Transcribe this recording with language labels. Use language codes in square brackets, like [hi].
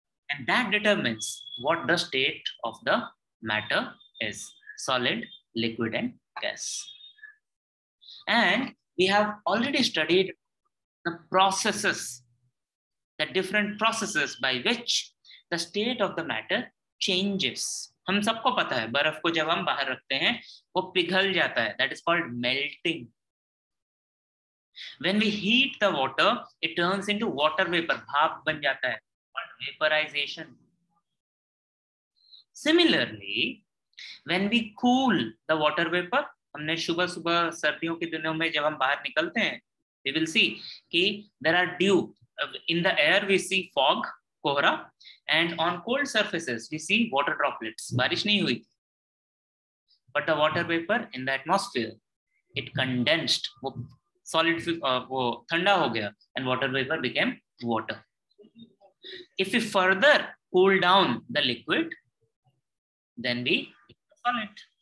[en] And that determines what the state of the matter is, solid, liquid, and gas. And we have already studied the processes, the different processes by which the state of the matter changes. [hi] हम सबको पता है बर्फ को जब हम बाहर रखते हैं वो पिघल जाता है [en] that is called melting when we heat the water it turns into water vapour [hi] भाप बन जाता है vaporisation [en] similarly when we cool the water vapour [hi] हमने सुबह सुबह सर्दियों के दिनों में जब हम बाहर निकलते हैं [en] We will see कि there are dew in the air we see fog Kohra, and on cold surfaces, we see water droplets. [hi] Barish nahi hui. [en] But the water vapor in the atmosphere, it condensed, wo solid, [hi] wo thanda ho gaya, [en] and water vapor became water. If we further cool down the liquid, then we solid.